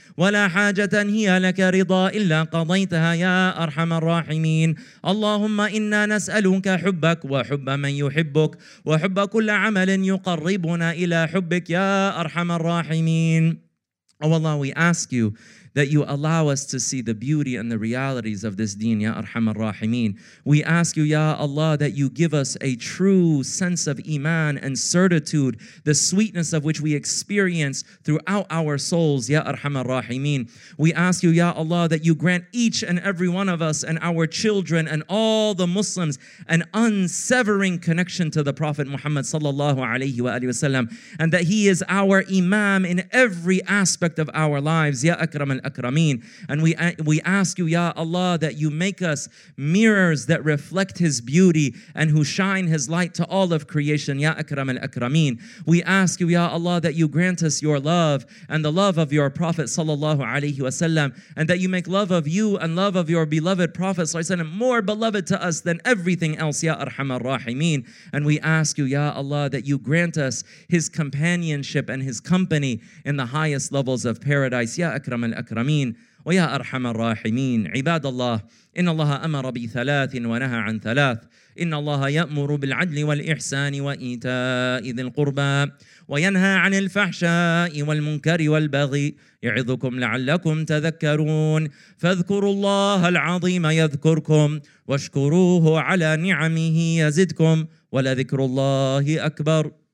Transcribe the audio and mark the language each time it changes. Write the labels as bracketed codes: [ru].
[ar] ولا حاجة هي لك رضا إلا قضيتها يا أرحم الراحمين اللهم إنا نسألك حبك وحب من يحبك وحب كل عمل يقربنا إلى حبك يا أرحم الراحمين [en] Oh Allah, we ask you that you allow us to see the beauty and the realities of this deen, Ya Arhamar Rahimeen. We ask you, Ya Allah, that you give us a true sense of iman and certitude, the sweetness of which we experience throughout our souls, Ya Arhamar Rahimeen. We ask you, Ya Allah, that you grant each and every one of us and our children and all the Muslims an unsevering connection to the Prophet Muhammad sallallahu alayhi wa alayhi wa sallam, and that he is our imam in every aspect of our lives, Ya Akram al al-akramin. And we ask you, Ya Allah, that you make us mirrors that reflect his beauty and who shine his light to all of creation, Ya Akram al-akramin. We ask you, Ya Allah, that you grant us your love and the love of your Prophet sallallahu alayhi wa sallam, and that you make love of you and love of your beloved Prophet sallallahu alayhi wa sallam more beloved to us than everything else, Ya Arham al-Rahimeen. And we ask you, Ya Allah, that you grant us his companionship and his company in the highest levels of paradise, Ya Akram al-Akramin, wa Ya Arham al-Rahimeen. [ar] Ibad Allah, inna Allah amara bi thalathin wa naha an thalath. إن الله يأمر بالعدل والإحسان وإيتاء ذي القربى وينهى عن الفحشاء والمنكر والبغي يعظكم لعلكم تذكرون فاذكروا الله العظيم يذكركم واشكروه على نعمه يزدكم ولذكر الله أكبر.